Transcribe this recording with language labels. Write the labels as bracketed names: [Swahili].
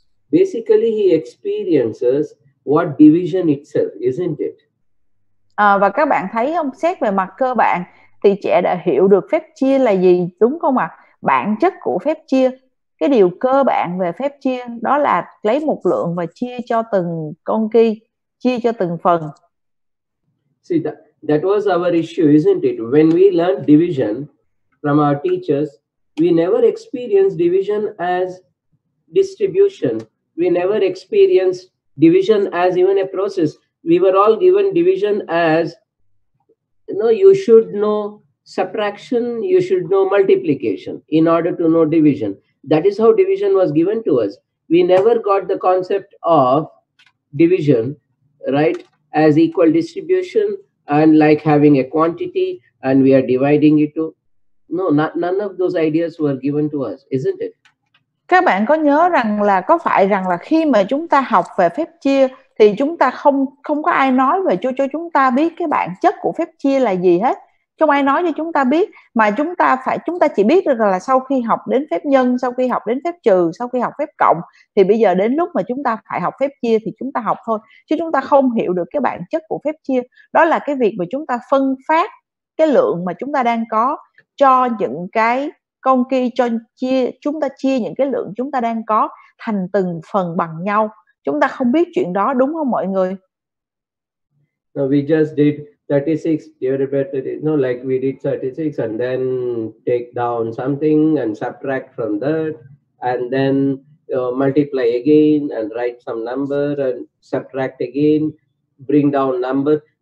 [English] Basically, he experiences what division itself, isn't it? [Vietnamese] Và các bạn thấy không, xét về mặt cơ bản thì trẻ đã hiểu được phép chia là gì, đúng không ạ? Bản chất của phép chia, cái điều cơ bản về phép chia đó là lấy một lượng và chia cho từng con ki, chia cho từng phần. [English] See, that was our issue, isn't it? When we learned division from our teachers, we never experienced division as distribution. We never experienced division as even a process. We were all given division as, you know, you should know subtraction, you should know multiplication in order to know division. That is how division was given to us. We never got the concept of division, right, as equal distribution and like having a quantity and we are dividing it to. No, none of those ideas were given to us, isn't it? [Vietnamese] Các bạn có nhớ rằng là có phải rằng là khi mà chúng ta học về phép chia thì chúng ta không có ai nói về cho chúng ta biết cái bản chất của phép chia là gì hết. Không ai nói cho chúng ta biết, mà chúng ta chỉ biết được là sau khi học đến phép nhân, sau khi học đến phép trừ, sau khi học phép cộng, thì bây giờ đến lúc mà chúng ta phải học phép chia thì chúng ta học thôi. Chứ chúng ta không hiểu được cái bản chất của phép chia. Đó là cái việc mà chúng ta phân phát cái lượng mà chúng ta đang có cho những cái con ki, cho chia, chúng ta chia những cái lượng chúng ta đang có thành từng phần bằng nhau. Chúng ta không biết chuyện đó, đúng không mọi người? [English] No, we just did 36 divided by 36, no, like we did 36 and then take down something and subtract from that and then multiply again and write some number and subtract again, bring down number.